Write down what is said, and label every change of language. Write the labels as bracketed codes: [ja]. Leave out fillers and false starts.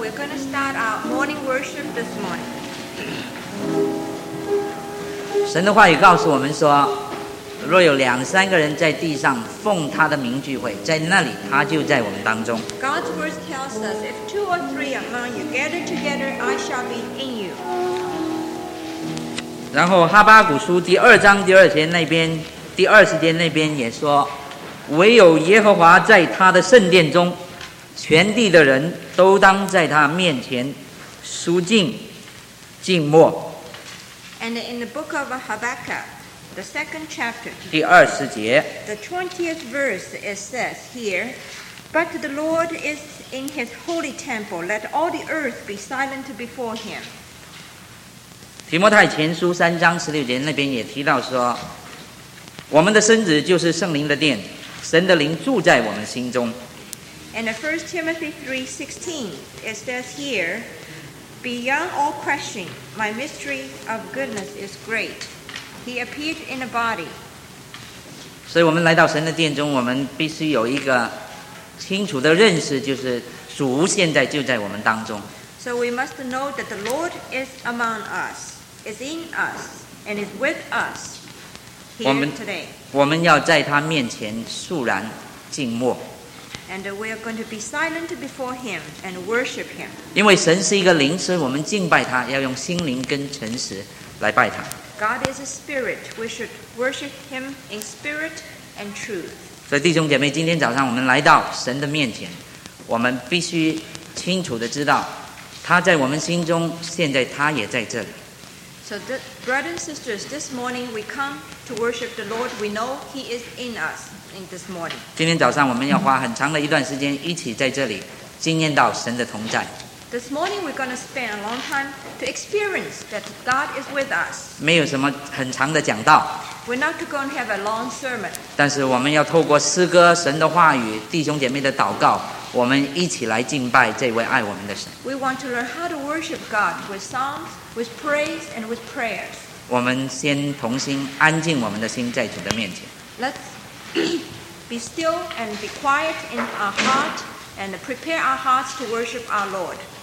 [en] We're going to start our morning worship this morning. [zh] 神的话语告诉我们说，若有两三个人在地上奉他的名聚会，在那里他就在我们当中。 [en] God's word tells us, if two or three among you gather together, I shall be in you. [zh] 然后哈巴谷书第二章第二节那边，第二十节那边也说，唯有耶和华在他的圣殿中，全地的人都当在他面前肃静静默。 [en] And in the book of Habakkuk, the second chapter, [zh] 第二十节， [en] the 20th verse, it says here, But the Lord is in his holy temple, let all the earth be silent before him. [zh] 提摩太前书三章十六节那边也提到说，我们的身子就是圣灵的殿，神的灵住在我们心中。 [en] And in 1 Timothy 3:16 it says here, Beyond all question, my mystery of goodness is great. He appeared in a body. [zh] 所以我们来到神的殿中，我们必须有一个清楚的认识，就是主现在就在我们当中。 [en] So we must know that the Lord is among us, is in us, and is with us. [zh] 我们要在他面前肃然静默。 [en] And we are going to be silent before him and worship him. [zh] 因为神是一个灵，所以我们敬拜他要用心灵跟诚实来拜他。 [en] God is a spirit. We should worship him in spirit and truth. [zh] 所以弟兄姐妹，今天早上我们来到神的面前，我们必须清楚地知道他在我们心中，现在他也在这里。 [en] So, brothers and sisters, this morning we come to worship the Lord. We know He is in us in this morning. [zh] 今天早上我们要花很长的一段时间一起在这里经验到神的同在。 [en] This morning we're going to spend a long time to experience that God is with us. [zh] 没有什么很长的讲道。 [en] We're not going to have a long sermon. [zh] 但是我们要透过诗歌、神的话语、弟兄姐妹的祷告，我们一起来敬拜这位爱我们的神。 [en] We want to learn how to worship God with songs. With praise and with prayers. [zh] 我们先同心安静我们的心在主的面前。 [en] Let's be still and be quiet in our heart and prepare our hearts to worship our Lord.